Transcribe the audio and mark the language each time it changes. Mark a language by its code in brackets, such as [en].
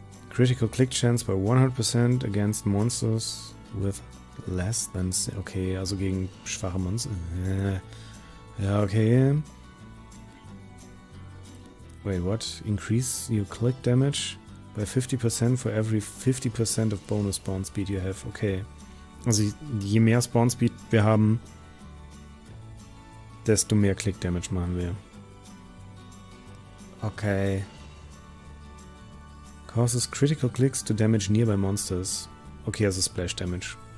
[en] Critical Click Chance by 100% against Monsters with less than. [de] Okay, also gegen schwache Monster. Ja, okay. [en] Wait, what? Increase your click damage by 50% for every 50% of bonus spawn speed you have. Okay. [de] Also je mehr spawn speed wir haben, desto mehr click damage machen wir. Okay. [en] Causes critical clicks to damage nearby monsters. Okay, also splash damage.